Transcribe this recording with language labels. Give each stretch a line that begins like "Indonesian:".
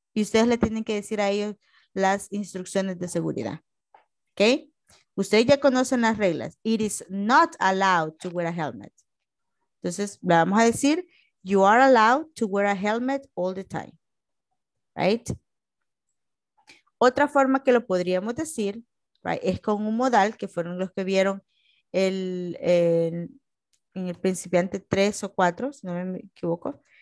Spanish: Y ustedes le tienen que decir a ellos las instrucciones de seguridad. ¿Okay? Ustedes ya conocen las reglas.
English: It is not allowed to wear a helmet.
Spanish: Entonces, le vamos a decir,
English: you are allowed to wear a helmet all the time. Right?
Spanish: Otra forma que lo podríamos decir, right, es con un modal, que fueron los que vieron en el principiante 3 o 4, si no me equivoco.